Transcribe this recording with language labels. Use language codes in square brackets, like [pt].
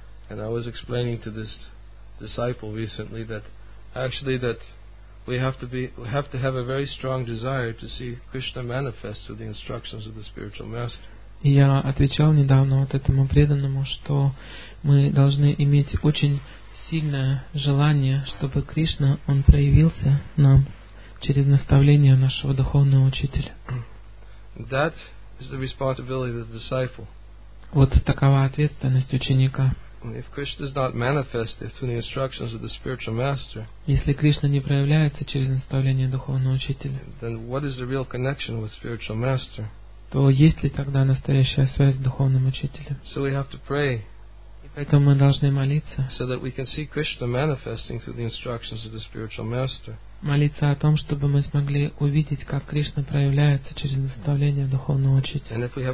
[en] And I was explaining to this disciple recently that we have to have a very strong desire to see Krishna manifest through the instructions of the spiritual master. [ru] И я отвечал недавно вот этому преданному, что мы должны иметь очень сильное желание, чтобы Кришна, он проявился нам через наставление нашего духовного учителя. [en] That is the responsibility of the disciple. [ru] Вот такова ответственность ученика. [en] If Krishna is not manifested through the instructions of the spiritual master, [ru] если Кришна не проявляется через наставление духовного учителя, [en] then what is the real connection with spiritual master? [ru] то есть ли тогда настоящая связь с духовным учителем? [en] So we have to pray. [ru] И поэтому мы должны молиться. [en] So that we can see Krishna manifesting through the instructions of the spiritual master. [ru] Молиться о том, чтобы мы смогли увидеть, как Кришна проявляется через наставление духовного учителя.